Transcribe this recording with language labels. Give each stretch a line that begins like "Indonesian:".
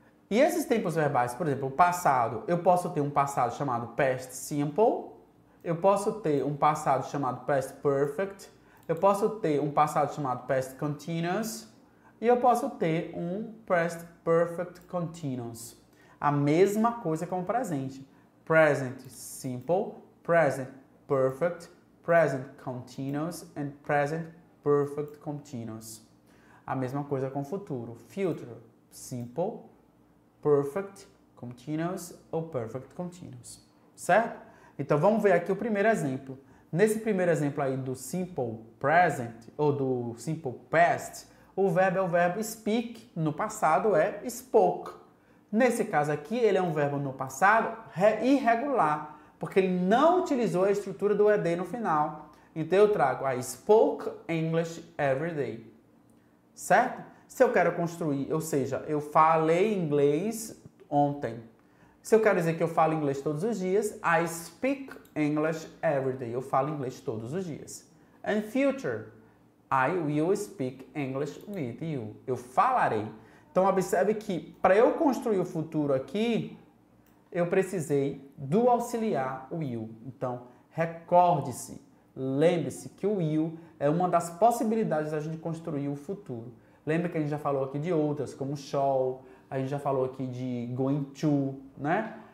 Portuguese: E esses tempos verbais, por exemplo, o passado, eu posso ter um passado chamado past simple, eu posso ter um passado chamado past perfect, eu posso ter um passado chamado past continuous e eu posso ter um past perfect continuous. A mesma coisa com o presente.
English: Present simple, present perfect, present continuous and present perfect continuous.
Portuguese: A mesma coisa com o futuro. Future simple, perfect continuous ou perfect continuous. Certo? Então vamos ver aqui o primeiro exemplo. Nesse primeiro exemplo aí do simple present ou do simple past, o verbo é o verbo speak. No passado é spoke. Nesse caso aqui, ele é um verbo no passado irregular, porque ele não utilizou a estrutura do ED no final. Então eu trago a
English: spoke English every day.
Portuguese: Certo? Se eu quero construir, ou seja, eu falei inglês ontem. Se eu quero dizer que eu falo inglês todos os dias,
English: I speak English every day.
Portuguese: Eu falo inglês todos os dias.
English: And future, I will speak English with you.
Portuguese: Eu falarei. Então observe que para eu construir o futuro aqui, eu precisei do auxiliar will. Então recorde-se, lembre-se que o will é uma das possibilidades da gente construir o futuro. Lembra que a gente já falou aqui de outras, como shall, a gente já falou aqui de going to, né?